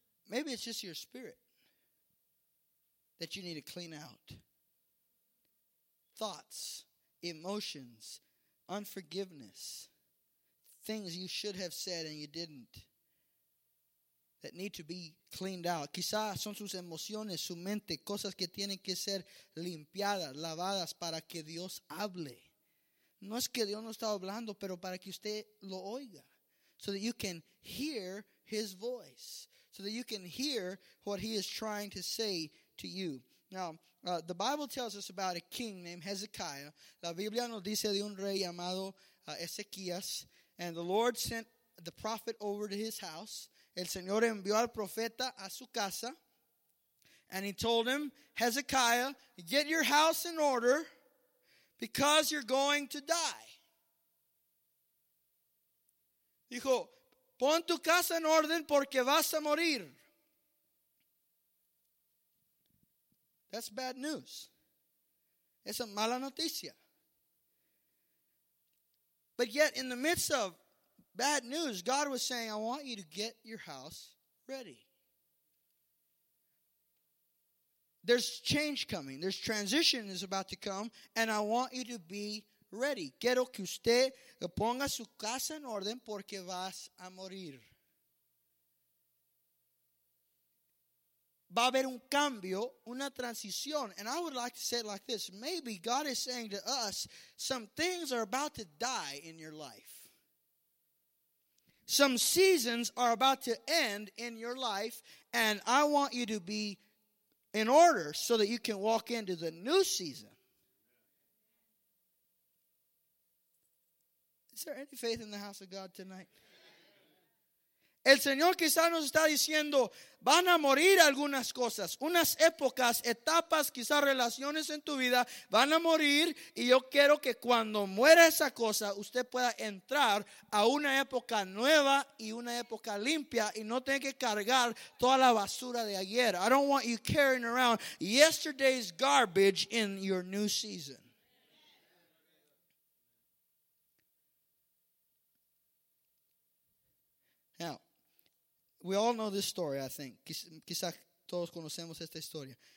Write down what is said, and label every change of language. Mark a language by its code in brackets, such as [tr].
[en] Maybe it's just your spirit that you need to clean out. Thoughts, emotions, unforgiveness, things you should have said and you didn't, that need to be cleaned out. [es] Quizás son sus emociones, su mente, cosas que tienen que ser limpiadas, lavadas para que Dios hable. No es que Dios no está hablando, pero para que usted lo oiga. [en] So that you can hear his voice. So that you can hear what he is trying to say to you. Now, the Bible tells us about a king named Hezekiah. [es] La Biblia nos dice de un rey llamado Ezequías. [en] And the Lord sent the prophet over to his house. [es] El Señor envió al profeta a su casa. [en] And he told him, Hezekiah, get your house in order. Because you're going to die. [es] Dijo, pon tu casa en orden porque vas a morir. [en] That's bad news. [es] Esa mala noticia. [en] But yet in the midst of bad news, God was saying, I want you to get your house ready. there's change coming. There's transition is about to come, and I want you to be ready. [es] Quiero que usted ponga su casa en orden porque vas a morir. Va a haber un cambio, una transición. [en] And I would like to say it like this. Maybe God is saying to us, some things are about to die in your life. Some seasons are about to end in your life, and I want you to be in order so that you can walk into the new season. Is there any faith in the house of God tonight? [es] El Señor quizá nos está diciendo, van a morir algunas cosas, unas épocas, etapas, quizás relaciones en tu vida, van a morir, y yo quiero que cuando muera esa cosa, usted pueda entrar a una época nueva y una época limpia, y no tenga que cargar toda la basura de ayer. [en] I don't want you carrying around yesterday's garbage in your new season. Now, we all know this story, I think. [es] Quizá todos conocemos esta historia.